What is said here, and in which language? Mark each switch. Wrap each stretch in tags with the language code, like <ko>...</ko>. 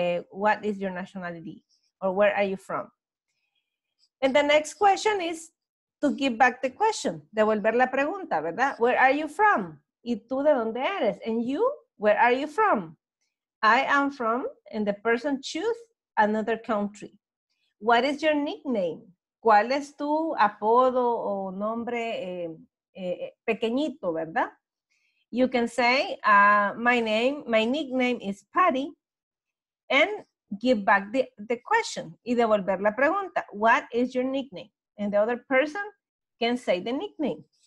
<en>What is your nationality? Or where are you from? And the next question is, to give back the question,</en> <es>devolver la pregunta, ¿verdad?</es> <en>Where are you from?</en> <es>¿Y tú de dónde eres?</es> <en>And you, where are you from? I am from, and the person choose another country. What is your nickname?</en> <es>¿Cuál es tu apodo o nombre pequeñito, ¿verdad?</es> <en>You can say, my nickname is Patty, and give back the question,</en> <es>y devolver la pregunta.</es> <en>What is your nickname? And the other person can say the nickname.</en>